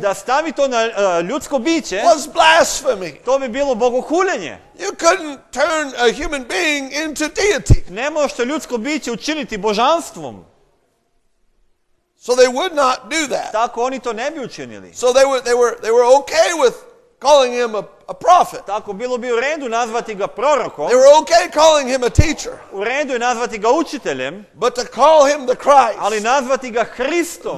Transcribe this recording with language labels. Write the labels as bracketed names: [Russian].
[Serbian] da stavi to na ljudsko biće, [English] was blasphemy. [Serbian] To bi bilo bogohuljenje. [English] You couldn't turn a human being into deity. [Serbian] Ne možete ljudsko biće učiniti božanstvom. [English] So they would not do that. [Serbian] Tako oni to ne bi učinili. [English] So they were okay with calling him a prophet. [Serbian] Tako bilo bi u redu nazvati ga prorokom. [English] They were okay calling him a teacher. [Serbian] U redu je nazvati ga učiteljem. [English] But to call him the Christ. [Serbian] Ali nazvati ga Hristom.